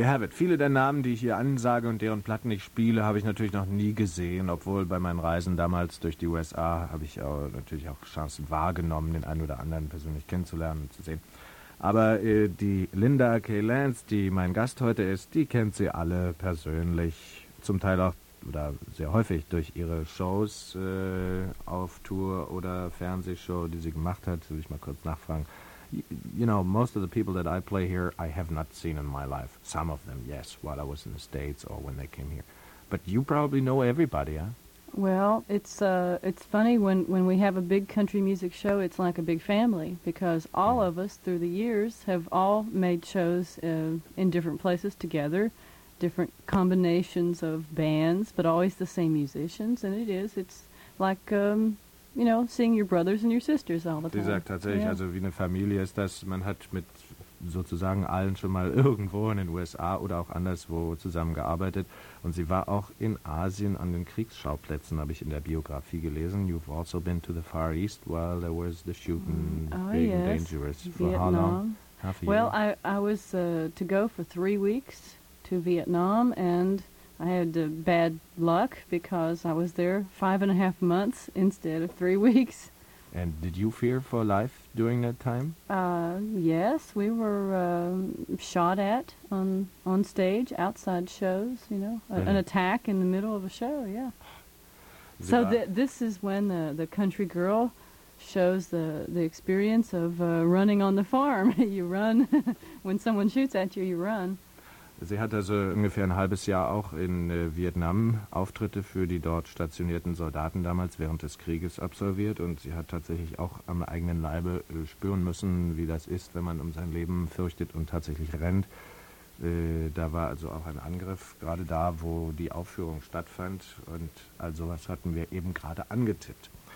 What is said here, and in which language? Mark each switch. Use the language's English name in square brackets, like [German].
[German] Viele der Namen, die ich hier ansage und deren Platten ich spiele, habe ich natürlich noch nie gesehen, obwohl bei meinen Reisen damals durch die USA habe ich auch natürlich auch Chancen wahrgenommen, den einen oder anderen persönlich kennenzulernen und zu sehen. Aber die Linda K. Lance, die mein Gast heute ist, die kennt sie alle persönlich, zum Teil auch oder sehr häufig durch ihre Shows auf Tour oder Fernsehshow, die sie gemacht hat, will ich mal kurz nachfragen. [English] You know, most of the people that I play here, I have not seen in my life. Some of them, yes, while I was in the States or when they came here. But you probably know everybody, huh? Well, it's funny. When we have a big country music show, it's like a big family because all of us through the years have all made shows in different places together, different combinations of bands, but always the same musicians. And it is. It's like... you know, seeing your brothers and your sisters all the time. [German] Sie sagt tatsächlich, also wie eine Familie ist das, man hat mit sozusagen allen schon mal irgendwo in den USA oder auch anderswo zusammengearbeitet. Und sie war auch in Asien an den Kriegsschauplätzen, habe ich in der Biografie gelesen. [English] You've also been to the Far East while there was the shooting being dangerous. For how long? Well, I was to go for 3 weeks to Vietnam and... I had bad luck because I was there 5.5 months instead of 3 weeks. And did you fear for life during that time? Yes, we were shot at on stage, outside shows, you know, an attack in the middle of a show, yeah. So this is when the country girl shows the experience of running on the farm. You run, when someone shoots at you, you run. [German] Sie hat also ungefähr ein halbes Jahr auch in Vietnam Auftritte für die dort stationierten Soldaten damals während des Krieges absolviert und sie hat tatsächlich auch am eigenen Leibe spüren müssen, wie das ist, wenn man um sein Leben fürchtet und tatsächlich rennt. Da war also auch ein Angriff, gerade da, wo die Aufführung stattfand und all sowas hatten wir eben gerade angetippt.